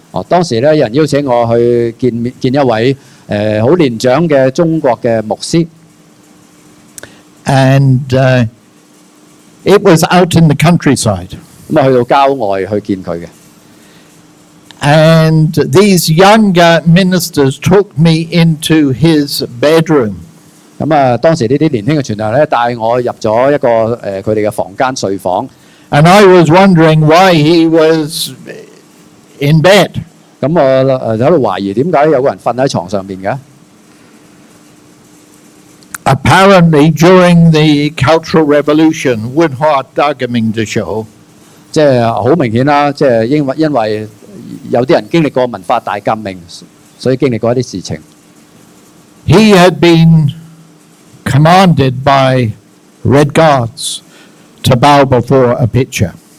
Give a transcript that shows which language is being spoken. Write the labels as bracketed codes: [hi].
[yue] 哦，當時咧，有人邀請我去見一位好年長嘅中國嘅牧師。 [en] And it was out in the countryside。 [yue] 咁啊，去到郊外去見佢嘅。 [en] And these younger ministers took me into his bedroom。 [yue] 咁啊，當時呢啲年輕嘅傳道咧，帶我入咗一個佢哋嘅房間睡房。 [en] And I was wondering why he was in bed。 [yue] 咁我喺度懷疑點解有個人瞓喺牀上邊嘅。 [en] Apparently during the Cultural Revolution, Wenhua Dagaming [yue] 嘅時候，即係好明顯啦，即係因為有啲人經歷過文化大革命，所以經歷過一啲事情。 [en] He had been commanded by Red Guards to bow before a picture。